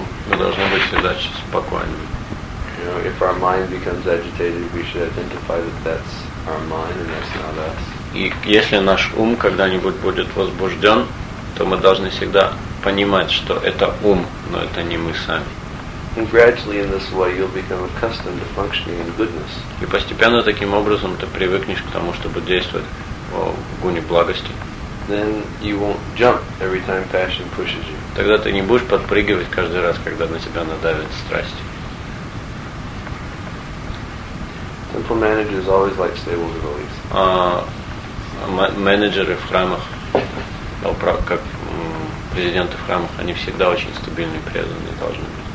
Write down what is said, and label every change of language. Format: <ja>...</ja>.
<ru>Мы должны быть всегда спокойными.</ru> <en>You know, if our mind becomes agitated, we should identify that that's our mind and that's not us.</en> <ru>И если наш ум когда-нибудь будет возбужден, то мы должны всегда понимать, что это ум, но это не мы сами.</ru> <en>And gradually in this way you'll become accustomed to functioning in goodness.</en> <ru>И постепенно таким образом ты привыкнешь к тому, чтобы действовать в гуне благости.</ru> <en>Then you won't jump every time passion pushes you.</en> <ru>Тогда ты не будешь подпрыгивать каждый раз, когда на тебя надавит страсть.</ru> <en>Temple managers always like stable devotees.</en> <ru>Менеджеры в храмах, как президенты в храмах, они всегда очень стабильные преданные должны быть.</ru>